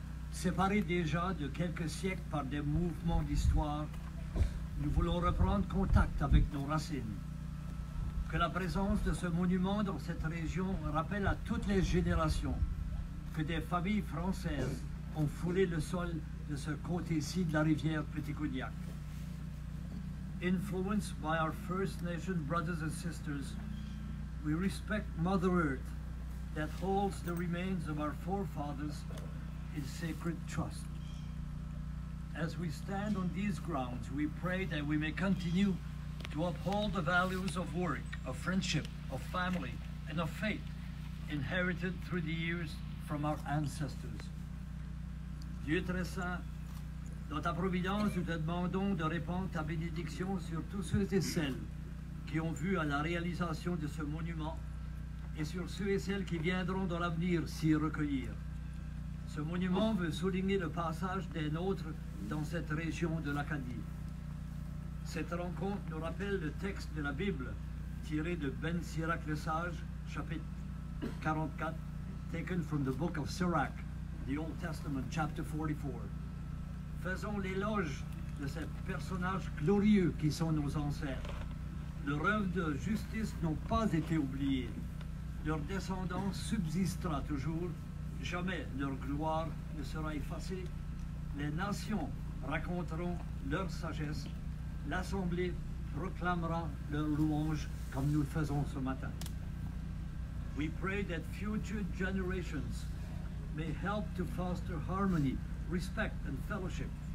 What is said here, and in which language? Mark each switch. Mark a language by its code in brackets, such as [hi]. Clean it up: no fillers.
[fr] Séparés déjà de quelques siècles par des mouvements d'histoire, nous voulons reprendre contact avec nos racines. Que la présence de ce monument dans cette région rappelle à toutes les générations que des familles françaises ont foulé le sol de ce côté-ci de la rivière Petit-Cognac. [en] Influenced by our First Nation brothers and sisters, we respect Mother Earth that holds the remains of our forefathers in sacred trust. As we stand on these grounds, we pray that we may continue to uphold the values of work, of friendship, of family, and of faith inherited through the years from our ancestors. [fr] Dieu très saint, dans ta providence, nous te demandons de répandre ta bénédiction sur tous ceux et celles qui ont vu à la réalisation de ce monument et sur ceux et celles qui viendront dans l'avenir s'y recueillir. Ce monument veut souligner le passage des nôtres dans cette région de l'Acadie. Cette rencontre nous rappelle le texte de la Bible tiré de Ben Sirach le Sage, chapitre 44, [en] taken from the book of Sirach, the Old Testament, chapter 44. [fr] Faisons l'éloge de ces personnages glorieux qui sont nos ancêtres. Leur œuvre de justice n'a pas été oubliée. Leur descendance subsistera toujours. Jamais leur gloire ne sera effacée. Les nations raconteront leur sagesse. L'Assemblée proclamera leur louange comme nous le faisons ce matin. [en] We pray that future generations may help to foster harmony, respect and fellowship.